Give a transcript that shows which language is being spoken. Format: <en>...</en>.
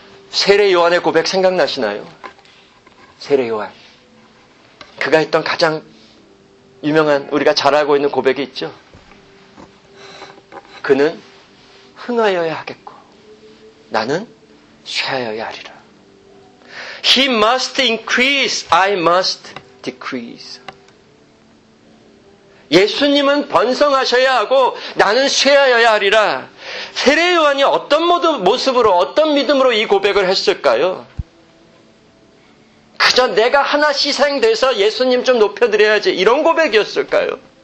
<ko>세례 요한의 고백 생각나시나요? 세례 요한. 그가 했던 가장 유명한 우리가 잘 알고 있는 고백이 있죠. 그는 흥하여야 하겠고 나는 쇠하여야 하리라.</ko> <en>He must increase, I must decrease.</en> <ko>예수님은 번성하셔야 하고 나는 쇠하여야 하리라. 세례 요한이 어떤 모습으로 어떤 믿음으로 이 고백을 했을까요? 그저 내가 하나 희생돼서 예수님 좀 높여드려야지 이런 고백이었을까요?</ko>